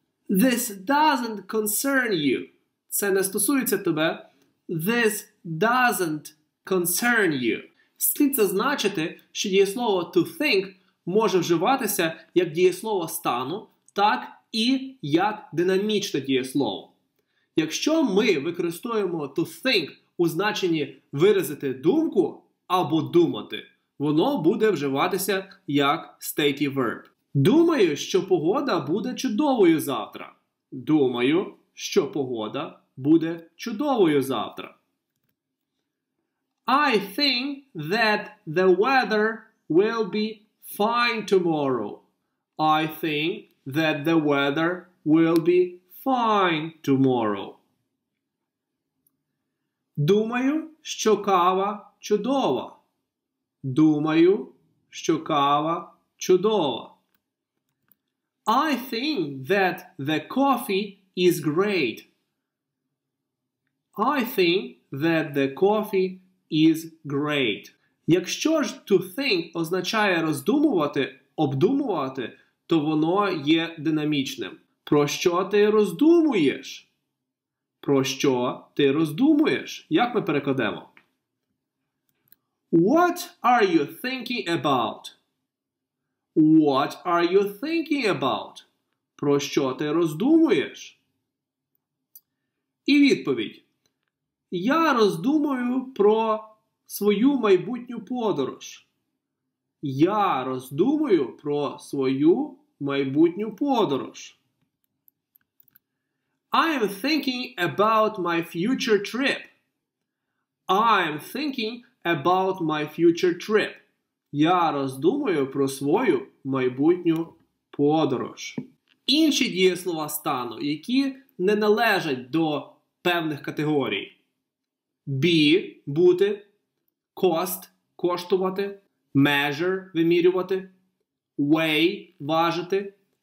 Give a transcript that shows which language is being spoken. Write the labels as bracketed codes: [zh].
[en] This doesn't concern you. [uk] Це не стосується тебе. [en] This doesn't concern you. [uk] Слід зазначити, що дієслово to think може вживатися як дієслово стану, так і як динамічне дієслово. Якщо ми використовуємо to think у значенні виразити думку або думати, воно буде вживатися як stative verb. Думаю, що погода буде чудовою завтра. Думаю, що погода буде чудовою завтра. [en] I think that the weather will be fine tomorrow. I think that the weather will be fine tomorrow. [uk] Думаю, що кава чудова. Думаю, що кава чудова. [en] I think that the coffee is great. I think that the coffee is great. [uk] Якщо ж to think означає роздумувати, обдумувати, то воно є динамічним. Про що ти роздумуєш? Про що ти роздумуєш? Як ми перекладемо? [en] What are you thinking about? What are you thinking about? [uk] Про що ти роздумуєш? І відповідь. Я роздумую про свою майбутню подорож. Я роздумую про свою майбутню подорож. [en] I am thinking about my future trip. I am thinking about my future trip. [uk] Я роздумую про свою майбутню подорож. Інші дієслова стану, які не належать до певних категорій. Be – бути. Cost – коштувати. Measure – вимірювати. Weigh – важити.